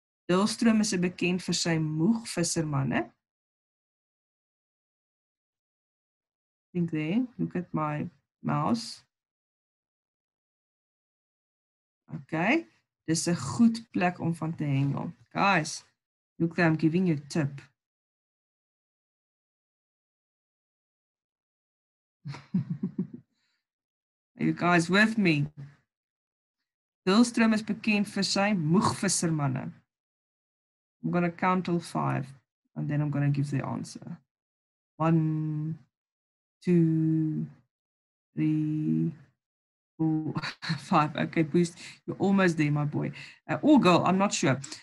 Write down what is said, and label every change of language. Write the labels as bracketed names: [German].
[Afrikaans] Dalstroom is bekend vir sy moeg vissermanne. [English] Think there, look at my mouse. Okay, [Afrikaans] Dis 'n goed plek om van te hengel. [English] Guys, look there, I'm giving you a tip. Are you guys with me? [Afrikaans] Hulström is bekend vir sy moegvissermanne. [English] I'm going to count till 5 and then I'm going to give the answer. 1, 2, 3, 4, 5. Okay, Boost, you're almost there, my boy. Or girl, I'm not sure.